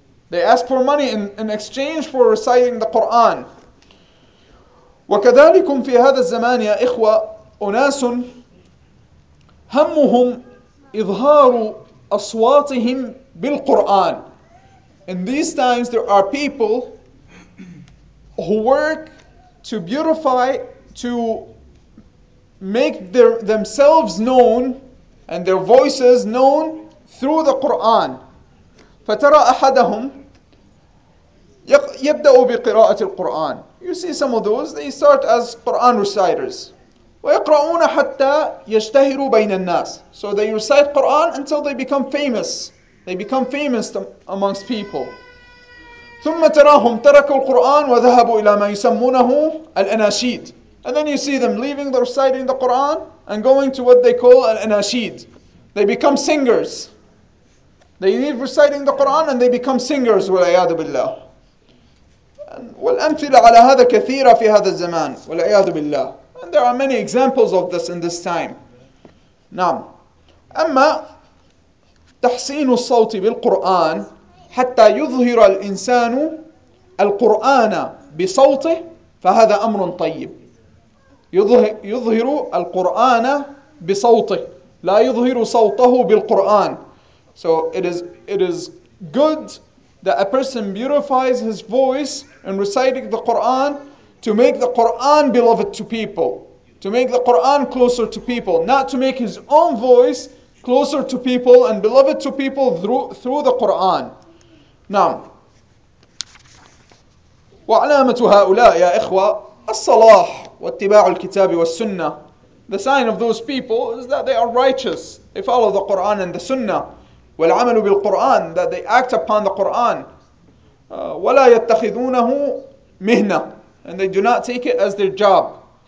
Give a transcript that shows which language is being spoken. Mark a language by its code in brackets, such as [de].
[en] They ask for money in exchange for reciting the Quran. [ar] وكذلكم في هذا الزمان يا إخوة أناس همهم إظهار أصواتهم بالقرآن. [en] In these times there are people who work to beautify, to make themselves known and their voices known through the Quran. [ar] فترى أحدهم يبدأ بقراءة القرآن. [en] You see some of those, they start as Quran reciters. [ar] ويقرؤون حتى يشتهروا بين الناس. [en] So they recite Quran until they become famous. They become famous amongst people. [ar] ثم تراهم تركوا القرآن وذهبوا إلى ما يسمونه الأناشيد. [en] And then you see them leaving the reciting the Quran and going to what they call الأناشيد. They become singers. They leave reciting the Quran and they become singers. [ar] والعياذ بالله. والأمثلة على هذا كثيرة في هذا الزمان. والعياذ بالله. [en] And there are many examples of this in this time. [ar] نعم. أما تحسين الصوت بالقرآن حتى يظهر الإنسان القرآن بصوته فهذا أمر طيب. يظهر القرآن بصوته لا يظهر صوته بالقرآن. [en] So it is good that a person beautifies his voice in reciting the Quran to make the Quran beloved to people, to make the Quran closer to people, not to make his own voice closer to people and beloved to people through the Quran. [ar] نعم. وعلامة هؤلاء يا إخوة الصلاح واتباع الكتاب والسنة. [en] The sign of those people is that they are righteous. They follow the Quran and the Sunnah. [ar] والعمل بالقرآن, [en] that they act upon the Quran. [ar] ولا يتخذونه مهنة. [en] And they do not take it as their job.